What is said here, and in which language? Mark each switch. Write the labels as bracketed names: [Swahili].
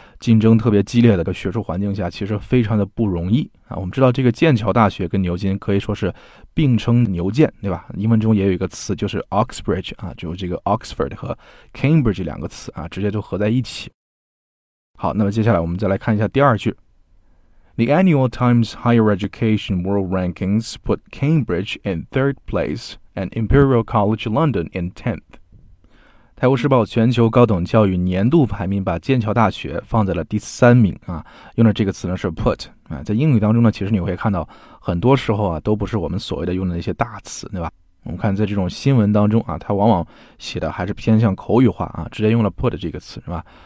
[Chinese] 竞争特别激烈的个学术环境下，其实非常的不容易啊。我们知道这个剑桥大学跟牛津可以说是并称牛剑，对吧？英文中也有一个词就是 Oxbridge 啊，就是这个 Oxford 和 Cambridge 两个词啊，直接就合在一起。好，那么接下来我们再来看一下第二句。 [English] The annual Times Higher Education World Rankings put Cambridge in third place and Imperial College London in 10th. [Chinese] 泰晤士报全球高等教育年度排名把剑桥大学放在了第三名啊，用的这个词呢是 put 啊，在英语当中呢，其实你会看到很多时候啊，都不是我们所谓的用的那些大词，对吧？我们看在这种新闻当中啊，它往往写的还是偏向口语化啊，直接用了 put 这个词，是吧？